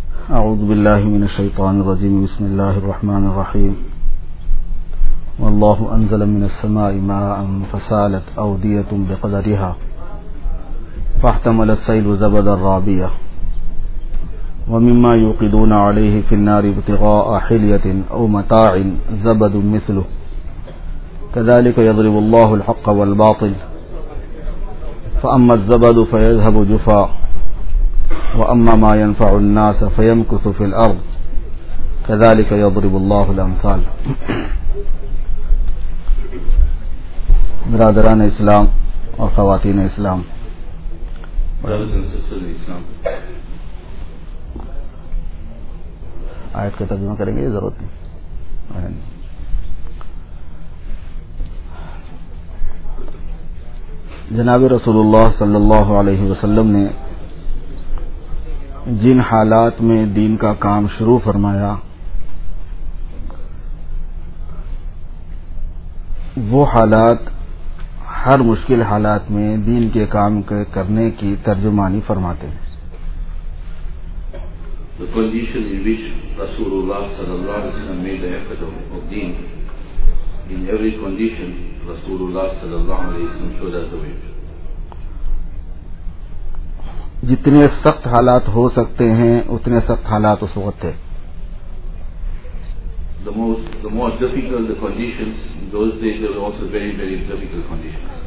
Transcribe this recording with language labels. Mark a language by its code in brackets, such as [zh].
[ar] أعوذ بالله من الشيطان الرجيم بسم الله الرحمن الرحيم والله أنزل من السماء ماء فسالت أودية بقدرها فاحتمل السيل زبدا رابيا ومما يوقدون عليه في النار ابتغاء حلية أو متاع زبد مثله كذلك يضرب الله الحق والباطل فأما الزبد فيذهب جفاء وأما ما ينفع الناس فيمكث في الأرض كذلك يضرب الله الأمثال. [ur] برادران اسلام اور خواتین اسلام, آیت کا ترجمہ کریں گے ضرورت نہیں. جناب رسول اللہ صلی اللہ علیہ وسلم نے جن حالات میں دین کا کام شروع فرمایا وہ حالات ہر مشکل حالات میں دین کے کام کے کرنے کی ترجمانی فرماتے ہیں. [en] The condition in which Rasulullah sallallahu alaihi wasallam made the effort of deen, in every condition Rasulullah sallallahu alaihi wasallam showed us the way. [ur] جتنے سخت حالات ہو سکتے ہیں اتنے سخت حالات اس وقت تھے. [en] The more difficult the conditions in those days, there were also very very difficult conditions.